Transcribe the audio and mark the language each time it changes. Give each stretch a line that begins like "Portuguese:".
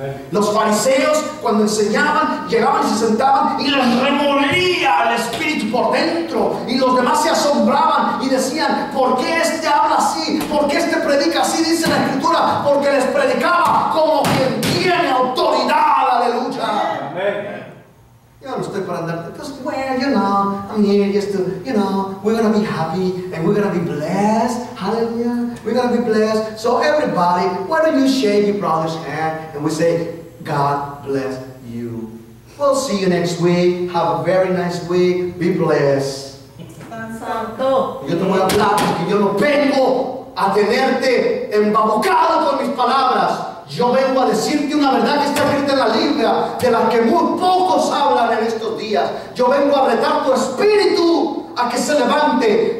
Spanish: Los fariseos, cuando enseñaban, llegaban y se sentaban y les removía el espíritu por dentro. Y los demás se asombraban y decían: ¿por qué este habla así? ¿Por qué este predica así? Dice la escritura: porque les predicaba como quien tiene autoridad. Aleluya. Amén. Yo no estoy para andarte.
English: Pues, well, you know, I'm here just to, you know, we're going to be happy and we're going to be blessed. Hallelujah. We're going to be blessed. So everybody, why don't you shake your brother's hand and we say, God bless you. We'll see you next week. Have a very nice week. Be blessed.
Spanish: Yo te voy a hablar porque yo no vengo a tenerte embabocado con mis palabras. Yo vengo a decirte una verdad que está escrita en la Biblia, de la que muy pocos hablan en estos días. Yo vengo a retar tu espíritu a que se levante.